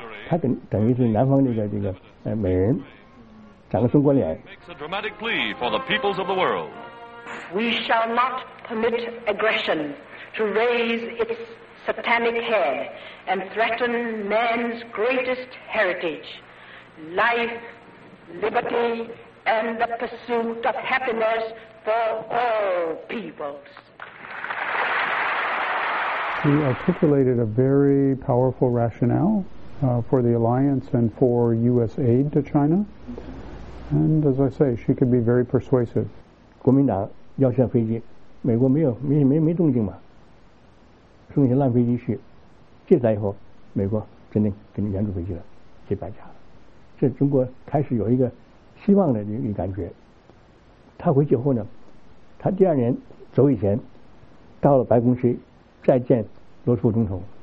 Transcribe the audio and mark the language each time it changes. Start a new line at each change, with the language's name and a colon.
Chinese: 他等于是南方那个美人，长个中国脸。
English: Makes a dramatic plea for the peoples of the world. We shall not permit aggression to raise its satanic head and threaten man's greatest heritage, life, liberty, and the pursuit of happiness for all peoples. He articulated a very powerful rationale. For the alliance and for U.S. aid to China. And as I say, she could be very persuasive.
Chinese: 国民党要选飞机，美国没动静嘛，送一些烂飞机去，借来以后，美国真的给你援助飞机了，给白家了。这中国开始有一个希望的一个感觉。他回去后呢，他第二年走以前，到了白宫去再见罗斯福总统。